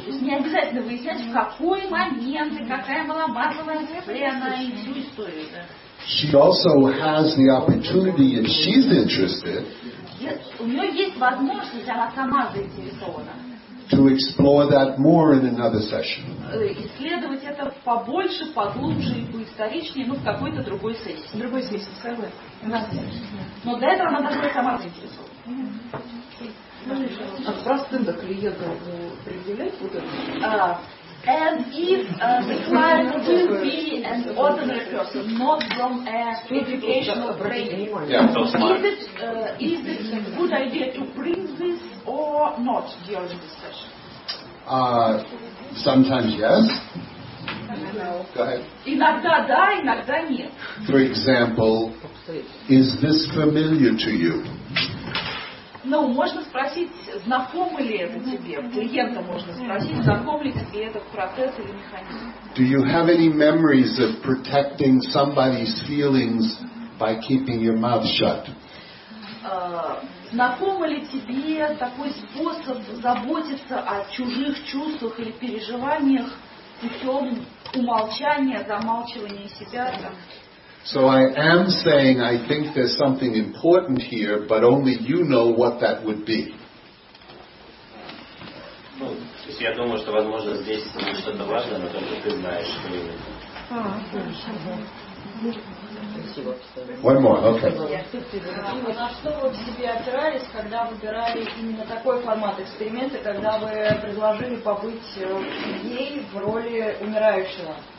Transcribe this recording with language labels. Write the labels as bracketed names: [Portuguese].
[Russian] То есть не обязательно выяснять, в какой момент и какая была базовая цель, она и всю историю. [English] She also has the opportunity, if she's interested, [Russian] у нее есть возможность, она сама заинтересована, [English] to explore that more in another session. [Russian] Исследовать это побольше, поглубже и поисторичнее, ну, в какой-то другой сессии. Другой сессии, согласна. Но для этого она должна сама заинтересована. А просто до клиента определять вот это? [English] And if the client will be an ordinary person, not from a educational training, is it a good idea to bring this or not during the session? Sometimes yes. [Russian] Иногда да, иногда нет. [English] For example, is this familiar to you? [Russian] Ну, можно спросить, знакомо ли это тебе. Клиента можно спросить, знаком ли тебе этот процесс или механизм. [English] Do you have any memories of protecting somebody's feelings by keeping your mouth shut? [Russian] знаком ли тебе такой способ заботиться о чужих чувствах или переживаниях путем умолчания, замалчивания себя? [English] So I am saying I think there's something important here, but only you know what that would be. [Russian] Я думаю, что, возможно, здесь что-то важное, но только ты знаешь, что именно. [English] One more, okay. [Russian] На что вы в себе опирались, когда выбирали именно такой формат эксперимента, когда вы предложили побыть ей в роли умирающего?